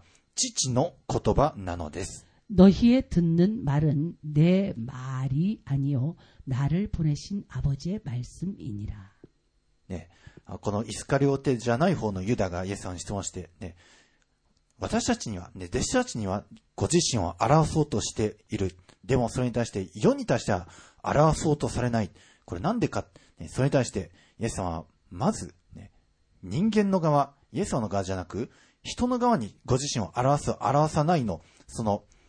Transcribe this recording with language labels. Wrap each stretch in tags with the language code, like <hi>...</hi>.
<ja>あなた方が聞いている言葉は私のものではなく私を使わした父の言葉なのです.</ja> <ko>너희의 듣는 말은 내 말이 아니요 나를 보내신 아버지의 말씀이니라.</ko> <ja>네, このイスカリオテじゃない方のユダがイエス様に質問して、ね、私たちには、ね、弟子たちにはご自身を表そうとしている。でもそれに対して世に対しては表そうとされない。これなんでか、ね、それに対してイエス様はまず、ね、人間の側、イエス様の側じゃなく、人の側にご自身を表す、表さないの、その、</ja>